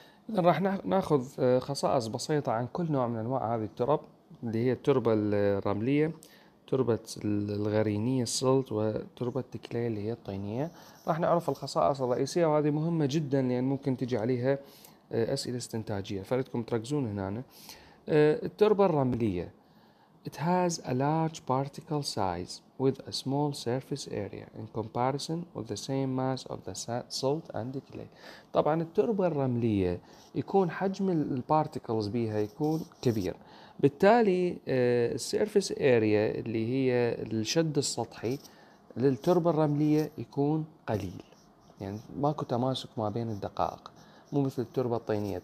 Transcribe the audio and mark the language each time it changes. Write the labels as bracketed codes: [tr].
[ar] إذن راح نأخذ خصائص بسيطة عن كل نوع من أنواع هذه التربة اللي هي التربة الرملية، تربة الغرينية السلط، وتربة الكلي اللي هي الطينية. راح نعرف الخصائص الرئيسية وهذه مهمة جدا لأن ممكن تجي عليها أسئلة استنتاجية، فلتكم تركزون هنا. التربة الرملية [en] It has a large particle size with a small surface area in comparison with the same mass of the salt and the clay. [ar] طبعا التربة الرملية يكون حجم البارتيكلز بيها يكون كبير، بالتالي السيرفيس اريا اللي هي الشد السطحي للتربة الرملية يكون قليل، يعني ماكو تماسك ما بين الدقائق، مو مثل التربة الطينية.